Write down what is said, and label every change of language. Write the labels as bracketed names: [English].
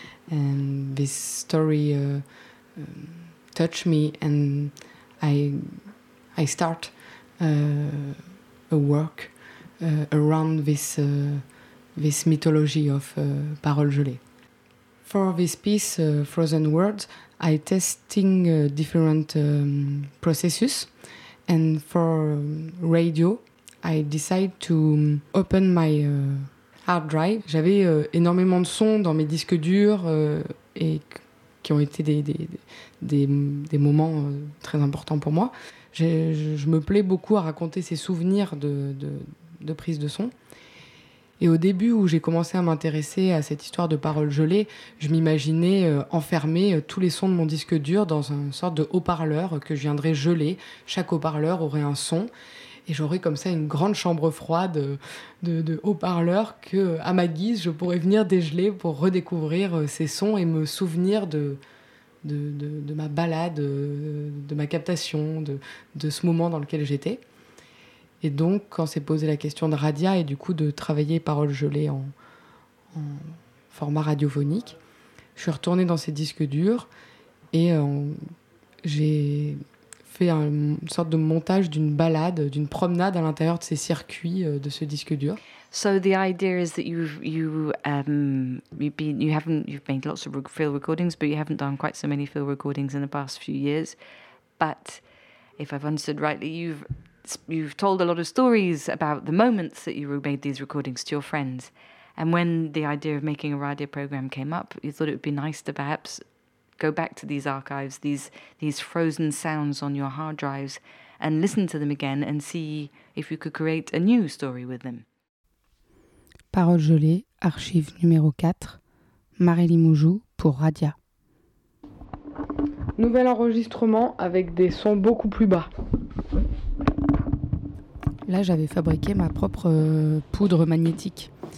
[English] And this story touched me, and I start a work around this this mythology of Parole Gelée. For this piece, Frozen Words, I testing different processes. And for radio, I decide to open my hard drive. [French] J'avais énormément de sons dans mes disques durs et qui ont été des moments très importants pour moi. Je me plais beaucoup à raconter ces souvenirs de prise de son. Et au début où j'ai commencé à m'intéresser à cette histoire de Parole Gelée, je m'imaginais enfermer tous les sons de mon disque dur dans une sorte de haut-parleur que je viendrais geler. Chaque haut-parleur aurait un son et j'aurais comme ça une grande chambre froide de haut-parleur que, à ma guise, je pourrais venir dégeler pour redécouvrir ces sons et me souvenir de ma balade, de ma captation, de ce moment dans lequel j'étais. Et donc, quand s'est posée la question de Radia et du coup de travailler Parole Gelée en format radiophonique, je suis retournée dans ces disques durs et j'ai fait une sorte de montage d'une balade, d'une promenade à l'intérieur de ces circuits de ce disque dur. [English] So the idea is that you've made lots of field recordings, but you haven't done quite so many field recordings in the past few years. But if I've understood rightly, you've told a lot of stories about the moments that you made these recordings to your friends. And when the idea of making a radio program came up, you thought it would be nice to perhaps go back to these archives, these frozen sounds on your hard drives, and listen to them again and see if you could create a new story with them. [French] Parole Gelée, archive numéro 4, Marie Limoujou pour Radia. Nouvel enregistrement avec des sons beaucoup plus bas. Là, j'avais fabriqué ma propre poudre magnétique.